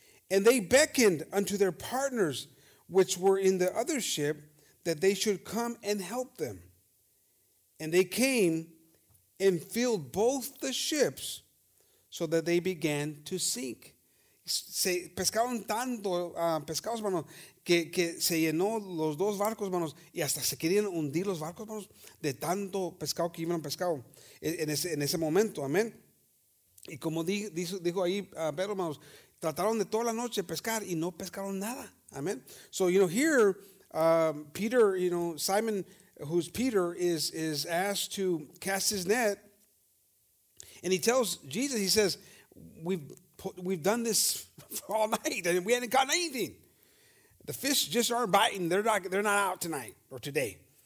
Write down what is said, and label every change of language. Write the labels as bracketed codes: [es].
[en] And they beckoned unto their partners, which were in the other ship, that they should come and help them. And they came and filled both the ships so that they began to sink. [es] se pescaron tanto pescados, hermanos, que se llenó los dos barcos, hermanos, y hasta se querían hundir los barcos, hermanos, de tanto pescado que iban pescado en ese momento, amén. Y como dijo ahí Pedro, hermanos, trataron de toda la noche pescar y no pescaron nada, amén. [en] So, you know, here, Peter, you know, Simon, who's Peter, is asked to cast his net, and he tells Jesus, he says, we've done this all night and we hadn't caught anything. The fish just aren't biting. They're not out tonight or today.